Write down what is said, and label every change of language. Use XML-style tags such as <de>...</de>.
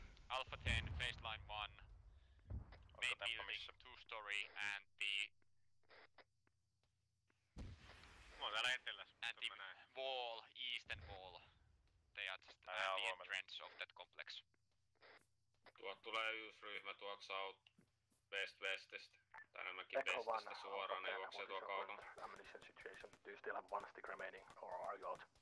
<en>Alpha 10, faceline 1, main building, two-story, and the...</en> <fi>Mä oon täällä etelässä, mutta mä näen.</fi> <en>Wall, eastern wall. They are just at the entrance of that complex.</en> <fi>Tuolta tulee yksi ryhmä tuolta South West Westistä. Tai enemmänkin Westistä suoraan, ne juoksee tuolta kaukana.</fi> <en>Ammunition situation. Do you still have one stick remaining, or are you out?</en>